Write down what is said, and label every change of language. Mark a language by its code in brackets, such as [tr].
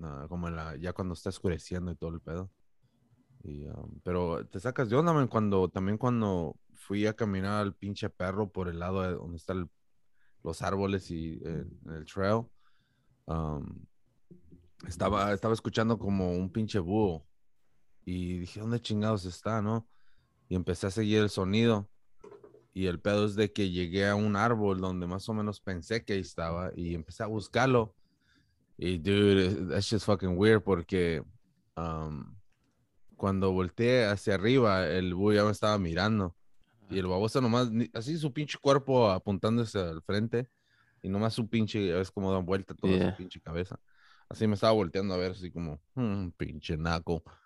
[es] Como en ya cuando está oscureciendo y todo el pedo. Pero te sacas de onda, man, cuando fui a caminar al pinche perro por el lado de donde están los árboles y el trail. Estaba escuchando como un pinche búho. Y dije, ¿dónde chingados está, no? Y empecé a seguir el sonido. Y el pedo es de que llegué a un árbol donde más o menos pensé que ahí estaba. Y empecé a buscarlo. [en] Y, dude, that's just fucking weird. [es] Porque cuando volteé hacia arriba, el búho ya me estaba mirando. Y el baboso nomás, así su pinche cuerpo apuntándose al frente. Y nomás su pinche, es como da vuelta toda su pinche cabeza. Así me estaba volteando a ver, así como, pinche naco.